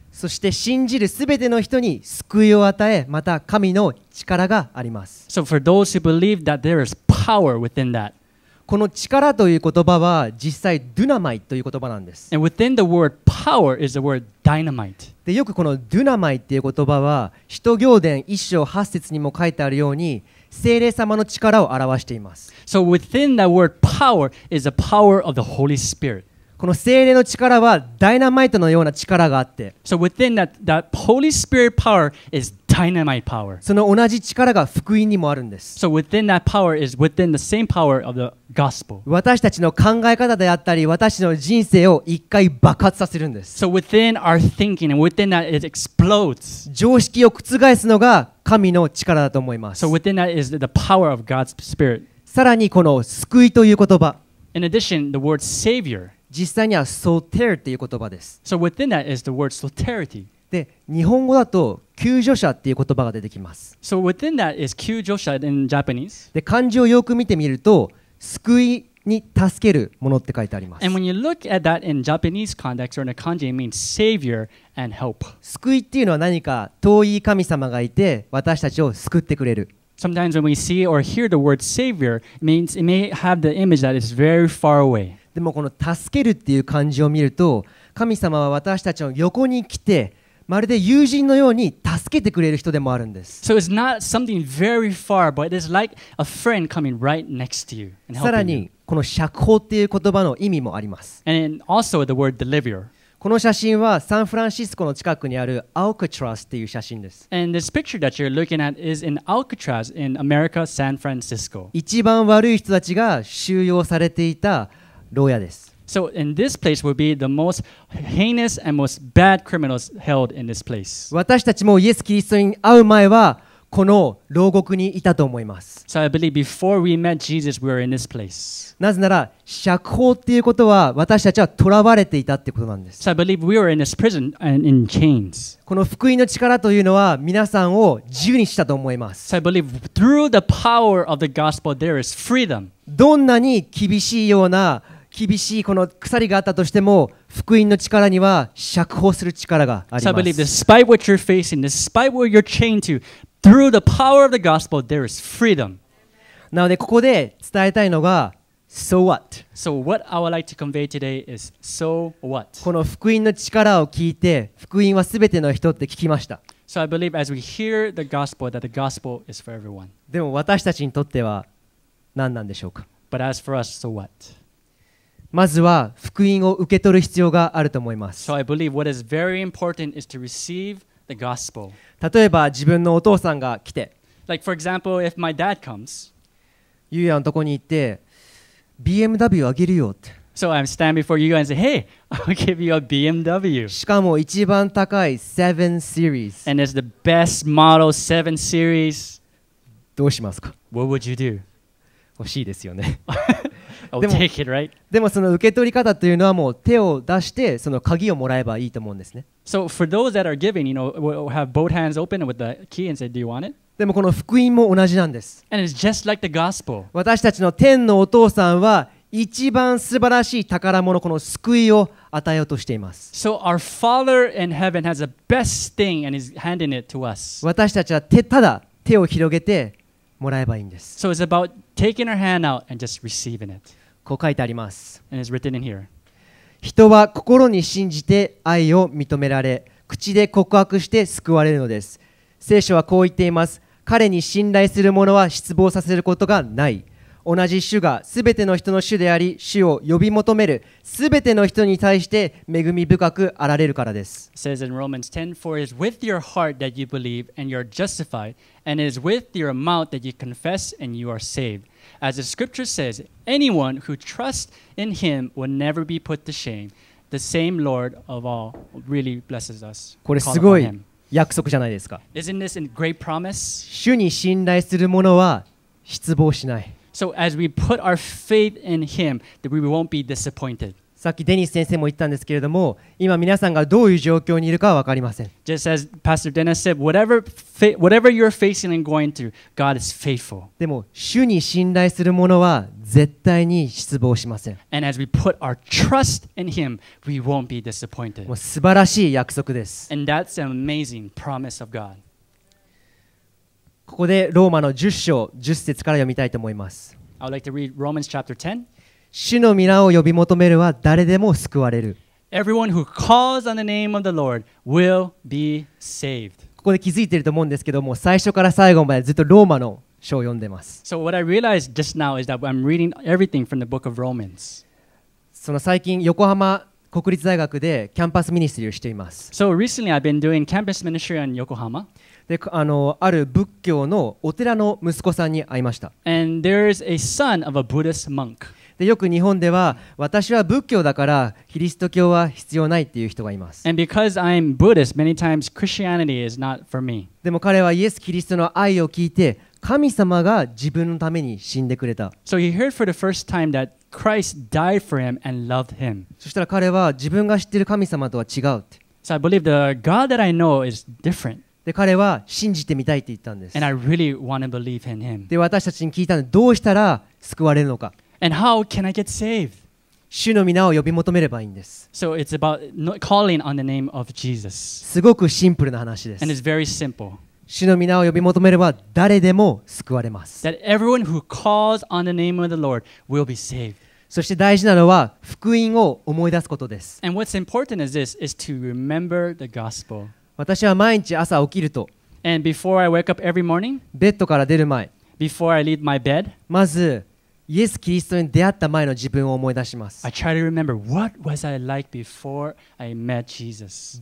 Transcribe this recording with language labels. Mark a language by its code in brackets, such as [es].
[ja] そして信じるすべての人に救いを与え、また神の力があります。 [en] So for those who believe that there is power within that. [ja] この力という言葉は実際ドゥナマイという言葉なんです。 [en] And within the word power is the word dynamite. [ja] で、よくこのドゥナマイっていう言葉は、使徒行伝一章八節にも書いてあるように、聖霊様の力を表しています。 [en] So within that word power is the power of the Holy Spirit. [ja] この聖霊の力はダイナマイトのような力があって。 [en] So within that Holy Spirit power is dynamite power. [ja] その同じ力が福音にもあるんです。 [en] So within that power is within the same power of the gospel. [ja] 私たちの考え方であったり、私の人生を一回爆発させるんです。 [en] So within our thinking and within that it explodes. [ja] 常識を覆すのが神の力だと思います。 [en] So within that is the power of God's spirit. [ja] さらにこの救いという言葉。 [en] In addition, the word savior. [ja] 実際にはソテルという言葉です。 [en] So within that is the word soterity. [ja] で、日本語だと救助者という言葉が出てきます。 [en] So within that is 救助者 in Japanese. [ja] で、漢字をよく見てみると、救いに助けるものって書いてあります。 [en] And when you look at that in Japanese context or in a kanji, it means savior. And help. [ja] 救いっていうのは何か遠い神様がいて私たちを救ってくれる。 [en] Sometimes when we see or hear the word savior, it may have the image that is very far away. [ja] でもこの助けるっていう漢字を見ると、神様は私たちの横に来て、まるで友人のように助けてくれる人でもあるんです。 [en] So it's not something very far, but it is like a friend coming right next to you and helping you. [ja] さらにこの釈放っていう言葉の意味もあります。 [en] And also the word deliver. [ja] この写真はサンフランシスコの近くにあるアルカトラスっていう写真です。 [en] And this picture that you're looking at is in Alcatraz in America, San Francisco. [ja] 一番悪い人たちが収容されていた牢屋です。 [en] So in this place would be the most heinous and most bad criminals held in this place. [ja] 私たちもイエス・キリストに会う前はこの牢獄にいたと思います。 [en] So I believe before we met Jesus, we were in this place. [ja] なぜなら釈放っていうことは私たちは囚われていたってことなんです。 [en] So I believe we were in this prison and in chains. [ja] この福音の力というのは皆さんを自由にしたと思います。 [en] So I believe through the power of the gospel, there is freedom. [ja] どんなに厳しいような厳しいこの鎖があったとしても福音の力には釈放する力があります。 [en] So I believe despite what you're facing, despite what you're chained to,Through the power of the gospel, there is freedom. [ja] なのでここで伝えたいのが [en] So what? So what I would like to convey today is So what? [ja] この福音の力を聞いて福音は全ての人って聞きました。 [en] So I believe as we hear the gospel that the gospel is for everyone. [ja] でも私たちにとっては何なんでしょうか? [en] But as for us, so what? [ja] まずは福音を受け取る必要があると思います。 [en] So I believe what is very important is to receive the gospel. [ja] 例えば自分のお父さんが来て、 [en] Like for example, if my dad comes, [ja] ゆうやのとこに行って、BMW あげるよって。 [en] So I'm standing before you and say, hey, I'll give you a BMW. [ja] しかも一番高い7 series. [en] And it's the best model 7 series. [ja] どうしますか? [en] What would you do? [ja] 欲しいですよね。 [en] I'll take it, right? [ja] でもその受け取り方というのはもう手を出してその鍵をもらえばいいと思うんですね。 [en] So for those that are giving, you know, we'll have both hands open with the key and say, do you want it? [ja] でもこの福音も同じなんです。 [en] And it's just like the gospel. [ja] 私たちの天のお父さんは一番素晴らしい宝物、この救いを与えようとしています。 [en] So our Father in heaven has the best thing and is handing it to us. [ja] 私たちは手ただ手を広げてもらえばいいんです。 [en] So it's about taking our hand out and just receiving it. [ja] こう書いてあります。 [en] And it's written in here. [ja] 人は心に信じて愛を認められ、口で告白して救われるのです。聖書はこう言っています。彼に信頼する者は失望させることがない。同じ主がすべての人の主であり、主を呼び求めるすべての人に対して恵み深くあられるからです。 [en] It says in Romans 10:4, it is with your heart that you believe and you are justified, and it is with your mouth that you confess and you are saved. As the scripture says, anyone who trusts in him will never be put to shame. The same Lord of all really blesses us. [ja] これすごい約束じゃないですか。 [en] Isn't this a great promise? [ja] 主に信頼する者は失望しない。 [en] So as we put our faith in him, that we won't be disappointed. [ja] さっきデニス先生も言ったんですけれども、今皆さんがどういう状況にいるかは分かりません。 [en] Just as Pastor Dennis said, whatever you're facing and going through, God is faithful. [ja] でも主に信頼する者は絶対に失望しません。 [en] And as we put our trust in him, we won't be disappointed. [ja] もう素晴らしい約束です。 [en] And that's an amazing promise of God. [ja] ここでローマの10章10節から読みたいと思います。 [en] I would like to read Romans chapter 10. [ja] 主の皆を呼び求めるは誰でも救われる。 [en] Everyone who calls on the name of the Lord will be saved. [ja] ここで気づいていると思うんですけども、最初から最後までずっとローマの書を読んでます。 [en] So what I realized just now is that I'm reading everything from the book of Romans. [ja] その最近横浜国立大学でキャンパスミニストリーをしています。 [en] So recently I've been doing campus ministry in Yokohama. [ja] で、ある仏教のお寺の息子さんに会いました。 [en] And there is a son of a Buddhist monk. [ja] で、よく日本では私は仏教だからキリスト教は必要ないっていう人がいます。 [en] And because I'm Buddhist, many times Christianity is not for me. [ja] でも彼はイエス・キリストの愛を聞いて、神様が自分のために死んでくれた。 [en] So he heard for the first time that Christ died for him and loved him. [ja] そしたら彼は自分が知ってる神様とは違うって。 [en] So I believe the God that I know is different. [ja] で彼は信じてみたいって言ったんです。 [en] And I really want to believe in him. [ja] で私たちに聞いたのどうしたら救われるのか。 [en] And how can I get saved? [ja] 主の皆を呼び求めればいいんです。 [en] So it's about calling on the name of Jesus. [ja] すごくシンプルな話です。 [en] And it's very simple. [ja] 主の皆を呼び求めれば誰でも救われます。 [en] That everyone who calls on the name of the Lord will be saved. [ja] そして大事なのは福音を思い出すことです。 [en] And what's important is this is to remember the gospel. [ja] 私は毎日朝起きると [en] And before I wake up every morning, [ja] ベッドから出る前 [en] before I leave my bed, [ja] まずイエス・キリストに出会った前の自分を思い出します。 [en] I try to remember what was I like before I met Jesus.